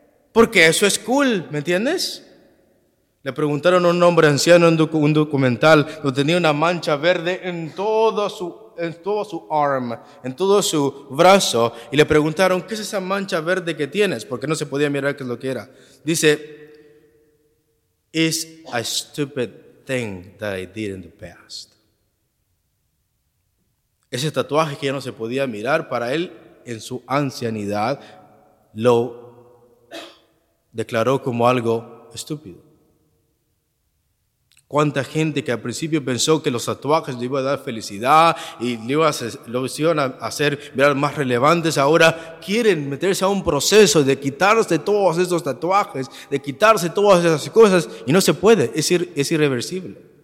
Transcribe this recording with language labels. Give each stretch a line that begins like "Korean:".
Spanish: Porque eso es cool, ¿me entiendes? Le preguntaron a un hombre anciano en un documental, donde tenía una mancha verde en todo su arm, en todo su brazo, y le preguntaron, ¿qué es esa mancha verde que tienes? Porque no se podía mirar qué es lo que era. Dice,
English: it's a stupid thing that I did in the past.
Spanish: Ese tatuaje que ya no se podía mirar, para él, en su ancianidad, lo declaró como algo estúpido. ¿Cuánta gente que al principio pensó que los tatuajes le iban a dar felicidad y los iban a hacer mirar más relevantes, ahora quieren meterse a un proceso de quitarse todos esos tatuajes, de quitarse todas esas cosas, y no se puede, es irreversible.